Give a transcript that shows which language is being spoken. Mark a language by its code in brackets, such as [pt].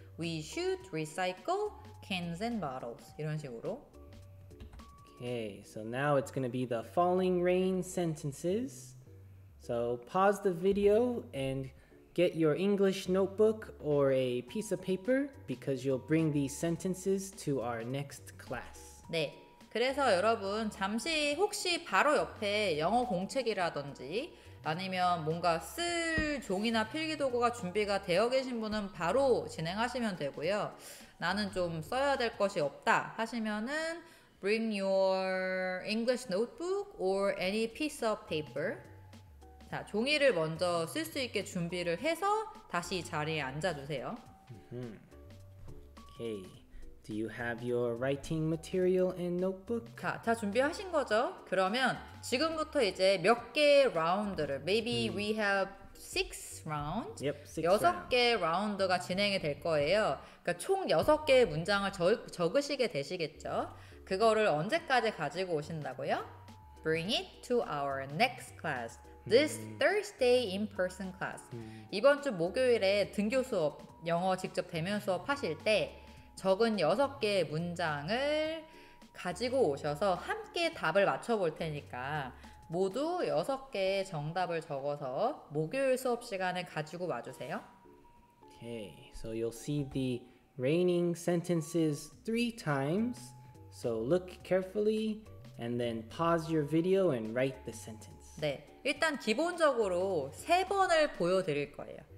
[en] We should recycle cans and bottles. [ko] 이런 식으로. [en] Okay, so now it's going to be the falling rain sentences. So pause the video and get your English notebook or a piece of paper because you'll bring these sentences to our next class. [ko] 네, 그래서 여러분 잠시 혹시 바로 옆에 영어 공책이라든지 아니면 뭔가 쓸 종이나 필기 도구가 준비가 되어 계신 분은 바로 진행하시면 되고요. 나는 좀 써야 될 것이 없다 하시면은 [en] Bring your English notebook or any piece of paper. [ko] 자, 종이를 먼저 쓸 수 있게 준비를 해서 다시 자리에 앉아주세요. [en] Okay. Do you have your writing material and notebook? [ko] 자, 다 준비하신 거죠? 그러면 지금부터 이제 몇 개의 라운드를 [en] Maybe we have six rounds? Yep, six [ko] 여섯 개의 라운드가 진행이 될 거예요. 그러니까 총 여섯 개의 문장을 적으시게 되시겠죠? 그거를 언제까지 가지고 오신다고요? [en] Bring it to our next class. This Thursday in-person class. [ko] 이번 주 목요일에 등교 수업, 영어 직접 대면 수업 하실 때 적은 6개의 문장을 가지고 오셔서 함께 답을 맞춰볼 테니까 모두 6개의 정답을 적어서 목요일 수업 시간에 가지고 와주세요. [en] Okay, so you'll see the raining sentences three times. So look carefully and then pause your video and write the sentence. [ko] 네, 일단 기본적으로 세 번을 보여드릴 거예요.